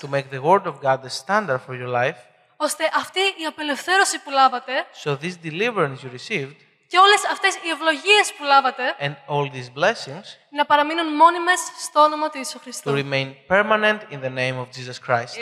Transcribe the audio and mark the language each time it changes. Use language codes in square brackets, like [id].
[en] to make the word of God the standard for your life, [el] ώστε αυτή η απελευθέρωση που λάβατε, [en] so this deliverance you received, [el] και όλες αυτές οι ευλογίες που λάβατε, [en] and all these blessings, [el] να παραμείνουν μόνιμες στο όνομα του Ιησού Χριστού. [en] To remain permanent in the name of Jesus Christ.